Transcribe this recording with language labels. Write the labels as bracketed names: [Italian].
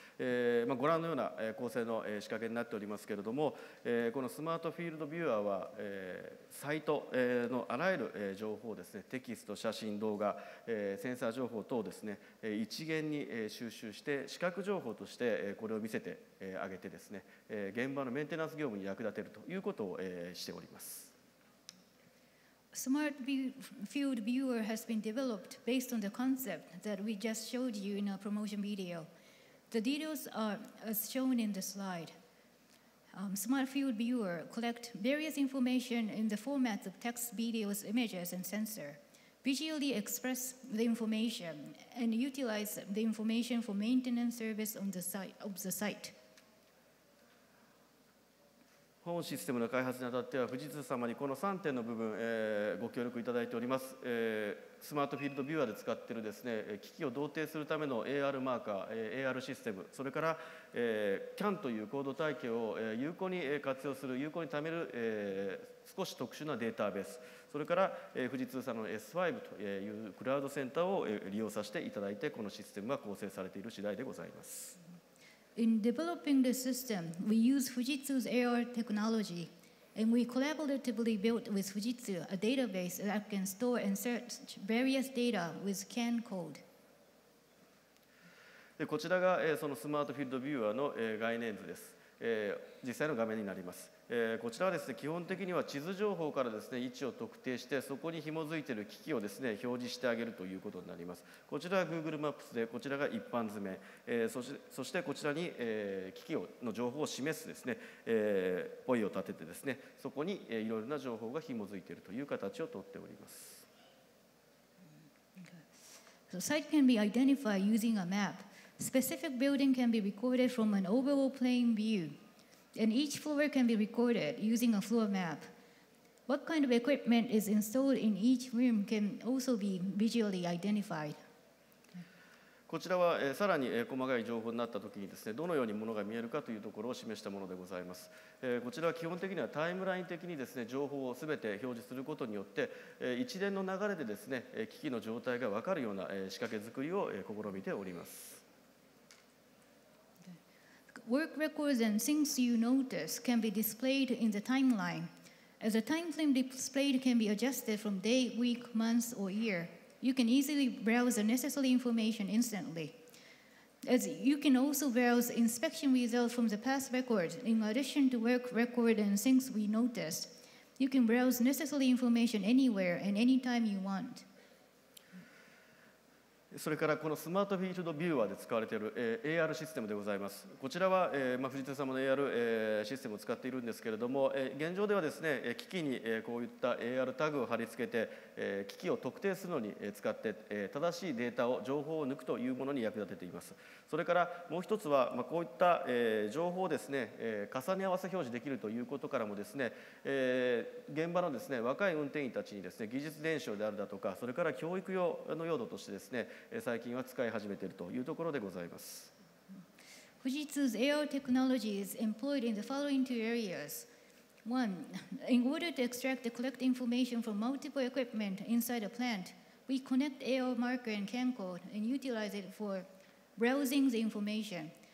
[Japanese] ご覧のような構成の仕掛けになっておりますけれども、このスマートフィールドビューアは、サイトのあらゆる情報をですね、テキスト、写真、動画、センサー情報等をですね、一元に収集して視覚情報としてこれを見せてあげてですね、現場のメンテナンス業務に役立てるということをしております。 [English] スマートフィールドビューアー has been developed based on the concept that we just showed you in our promotion video. The details are as shown in the slide. Smart Field Viewer collects various information in the formats of text, videos, images, and sensor. Visually express the information and utilize the information for maintenance service on the site, of the site. [Japanese] 本システムの開発にあたっては富士通様にこの3点の部分、ご協力いただいております。スマートフィールドビューアで使っているですね、機器を同定するための AR マーカー、AR システム、それから、CAN というコード体系を有効に活用する、有効に貯める、少し特殊なデータベース、それから、富士通さんの S5 というクラウドセンターを利用させていただいてこのシステムが構成されている次第でございます。 [English] In developing the system, we use Fujitsu's AR technology, and we collaboratively built with Fujitsu a database that can store and search various data with CAN code. [Japanese] で、こちらが、そのスマートフィールドビューアーの、概念図です。実際の画面になります。こちらはですね、基本的には地図情報からですね、位置を特定して、そこに紐づいている機器をですね、表示してあげるということになります。こちらは Google マップスで、こちらが一般図面、そしてこちらに、機器をの情報を示すですね、ポイを立ててですね、そこにいろいろな情報が紐づいているという形をとっております。 [English] So, site can be identified using a map. Specific building can be recorded from an overall plane view. And each floor can be recorded using a floor map. What kind of equipment is installed in each room can also be visually identified. [Japanese] こちらは、さらに、細かい情報になったときにですね、どのようにものが見えるかというところを示したものでございます。こちらは基本的にはタイムライン的にですね、情報をすべて表示することによって、一連の流れでですね、機器の状態が分かるような、仕掛け作りを、試みております。 [English] Work records and things you notice can be displayed in the timeline. As the time frame displayed can be adjusted from day, week, month, or year, you can easily browse the necessary information instantly. As you can also browse inspection results from the past records, in addition to work record and things we notice, you can browse necessary information anywhere and anytime you want. [Japanese] それからこのスマートフィールドビューワーで使われている AR システムでございます。こちらは藤田様の AR システムを使っているんですけれども、現状ではですね、機器にこういった AR タグを貼り付けて機器を特定するのに使って、正しいデータを、情報を抜くというものに役立てています。それからもう一つは、こういった情報をですね、重ね合わせ表示できるということからもですね、現場のですね、若い運転員たちにですね、技術伝承であるだとか、それから教育用の用途としてですね、最近は使い始めているというところでございます。 [English] 富士通 AR technology is employed in the following two areas. One, in order to extract and collect information from multiple equipment inside a plant, we connect AR marker and camcorder and utilize it for browsing the information.